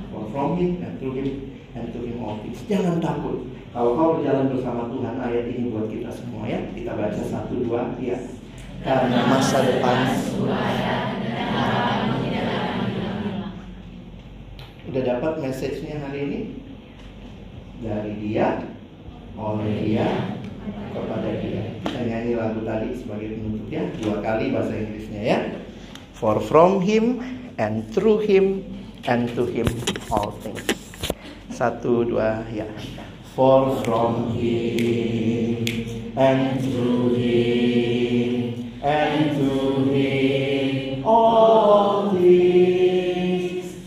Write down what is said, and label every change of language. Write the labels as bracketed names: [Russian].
[English] For from Him and through Him and to Him all things. [Indonesian] Jangan takut. Kalau kau berjalan bersama Tuhan, ayat ini buat kita semua ya. Kita baca 1-2 ya. Karena masa depan. Udah dapat message-nya hari ini? Dari Dia, oleh Dia, kepada Dia. Kita nyanyi lagu tadi sebagai penutup ya. 2 kali bahasa Inggrisnya ya. [English] For from Him and through Him and to Him all things. [Indonesian] 1-2 ya. [English] For from Him and through Him and to Him all things.